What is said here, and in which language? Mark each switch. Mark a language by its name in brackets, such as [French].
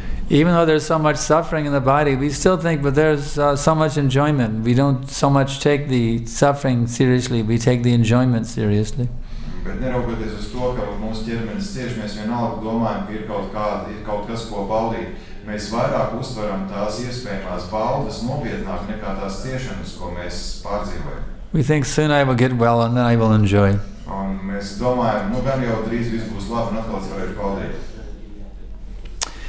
[English] Even though there's so much suffering in the body, we still think, but there's so much enjoyment. We don't so much take the suffering seriously, we take the enjoyment seriously. [Latvian] Bet neraugoties uz to, ka mūsu ķermenis cieš, mēs vienalga domājam, ka ir kaut kas, ko baudīt. Mēs vairāk uztveram tās iespējamās baudas nopietnāk nekā tās ciešanas, ko mēs pārdzīvojam. [English] We think soon I will get well and then I will enjoy. [Latvian] Un mēs domājam, nu gan jau drīz viss būs labi un atkal varēšu baudīt.